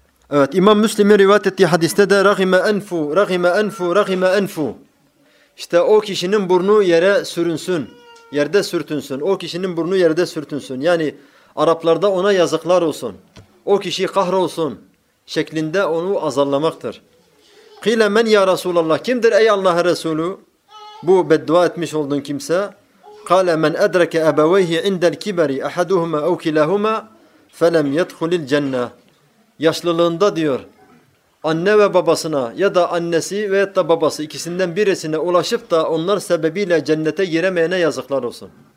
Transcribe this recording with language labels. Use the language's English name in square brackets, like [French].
[Turkish] Evet, İmam Müslim'in rivayet ettiği hadiste de [Arabic] رَغِمَ أَنْفُ رَغِمَ أَنْفُ [Turkish] رَغِمَ أَنْفُ. İşte o kişinin burnu yere sürünsün, yerde sürtünsün, o kişinin burnu yerde sürtünsün. Yani Araplarda ona yazıklar olsun, o kişi kahrolsun şeklinde onu azarlamaktır. [Arabic] قِيلَ مَنْ يَا رَسُولَ اللّٰهِ [Turkish] Kimdir ey Allah'ın Resulü? Bu beddua etmiş olduğun kimse. [Arabic] قَالَ مَنْ اَدْرَكَ اَبَوَيْهِ عِنْدَ الْكِبَرِ اَحَدُهُمَا اَوْ كِلَهُمَا فَلَمْ يَدْخُلِ الْجَنَّةِ [Turkish] Yaşlılığında diyor, anne ve babasına ya da annesi veyahut da babası ikisinden birisine ulaşıp da onlar sebebiyle cennete giremeyene yazıklar olsun.